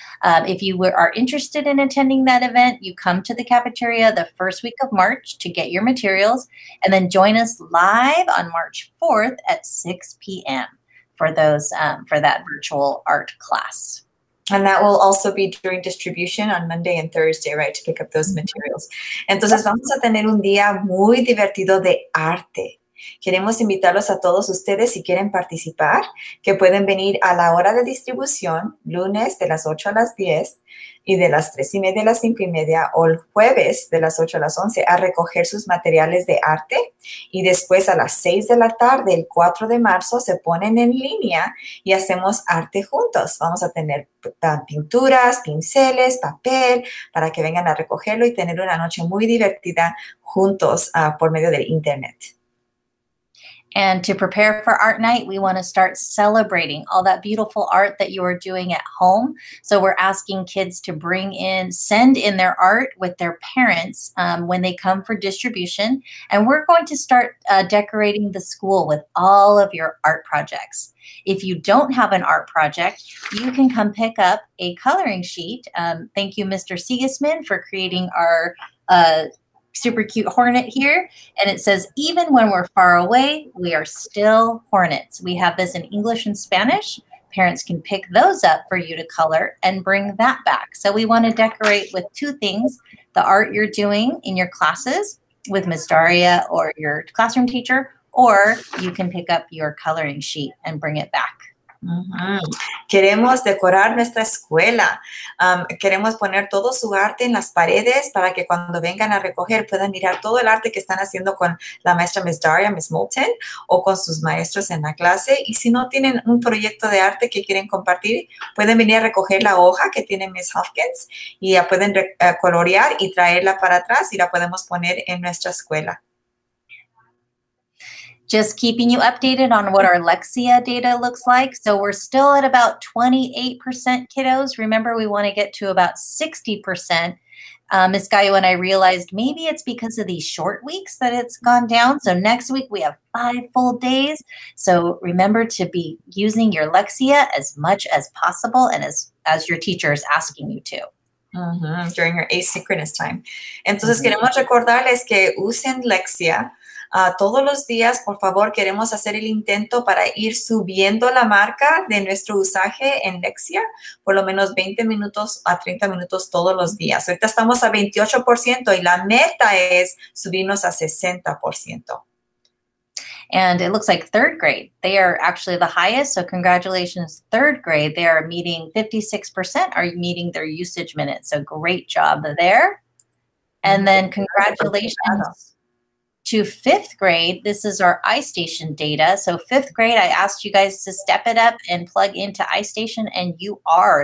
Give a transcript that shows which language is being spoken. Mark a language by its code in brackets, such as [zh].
[en] If you are interested in attending that event, you come to the cafeteria the first week of March to get your materials and then join us live on March 4th at 6 p.m. for those for that virtual art class. And that will also be during distribution on Monday and Thursday, right, to pick up those materials. [es] Entonces vamos a tener un día muy divertido de arte. Queremos invitarlos a todos ustedes si quieren participar, que pueden venir a la hora de distribución, lunes de las 8 a las 10 y de las 3 y media a las 5 y media o el jueves de las 8 a las 11 a recoger sus materiales de arte y después a las 6 de la tarde, el 4 de marzo, se ponen en línea y hacemos arte juntos. Vamos a tener pinturas, pinceles, papel para que vengan a recogerlo y tener una noche muy divertida juntos por medio del internet. [en] And to prepare for art night, we want to start celebrating all that beautiful art that you are doing at home. So we're asking kids to send in their art with their parents when they come for distribution. And we're going to start decorating the school with all of your art projects. If you don't have an art project, you can come pick up a coloring sheet. Thank you, Mr. Sigismund, for creating our super cute hornet here, and it says, even when we're far away, we are still hornets. We have this in English and Spanish. Parents can pick those up for you to color and bring that back. So we want to decorate with two things, the art you're doing in your classes with Ms. Daria or your classroom teacher, or you can pick up your coloring sheet and bring it back. [es] Queremos decorar nuestra escuela. Queremos poner todo su arte en las paredes para que cuando vengan a recoger puedan mirar todo el arte que están haciendo con la maestra Miss Daria, Miss Moulton, o con sus maestros en la clase. Y si no tienen un proyecto de arte que quieren compartir, pueden venir a recoger la hoja que tiene Miss Hopkins y la pueden colorear y traerla para atrás y la podemos poner en nuestra escuela. [en] Just keeping you updated on what our Lexia data looks like. So we're still at about 28% kiddos. Remember, we want to get to about 60%. Ms. Gayo and I realized maybe it's because of these short weeks that it's gone down. So next week we have 5 full days. So remember to be using your Lexia as much as possible and as your teacher is asking you to. During your asynchronous time. [es] Entonces queremos recordarles que usen Lexia. Todos los días, por favor, queremos hacer el intento para ir subiendo la marca de nuestro usaje en Lexia por lo menos 20 minutos a 30 minutos todos los días. Ahorita estamos a 28% y la meta es subirnos a 60%. [en] And it looks like third grade. They are actually the highest, so congratulations, third grade. They are meeting 56% are meeting their usage minutes, so great job there. And then congratulations to fifth grade. This is our iStation data. So fifth grade, I asked you guys to step it up and plug into iStation, and you are.